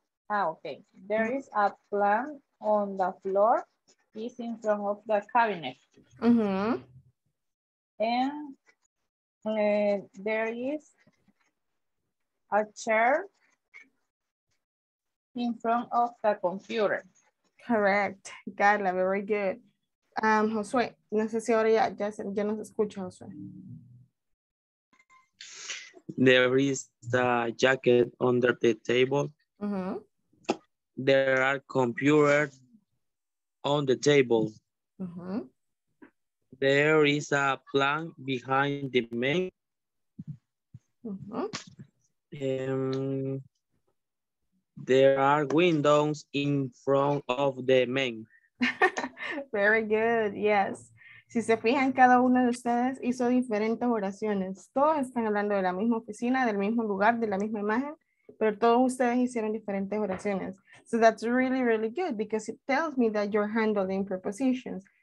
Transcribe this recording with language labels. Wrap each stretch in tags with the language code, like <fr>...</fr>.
<en>Ah, okay. There is a plant on the floor. It's in front of the cabinet. Mm-hmm. And... there is a chair in front of the computer. Correct. Carla, very good.</en> <es>Josué, no sé si ahora ya nos escucha, Josué.</es> <en>There is the jacket under the table. Uh-huh. There are computers on the table. Uh-huh. There is a plant behind the main. Mm-hmm. There are windows in front of the main. Very good, yes.</en> <es>Si se fijan, cada uno de ustedes hizo diferentes oraciones. Todos están hablando de la misma oficina, del mismo lugar, de la misma imagen, pero todos ustedes hicieron diferentes oraciones.</es> <en>So that's really, really good because it tells me that you're handling prepositions.</en>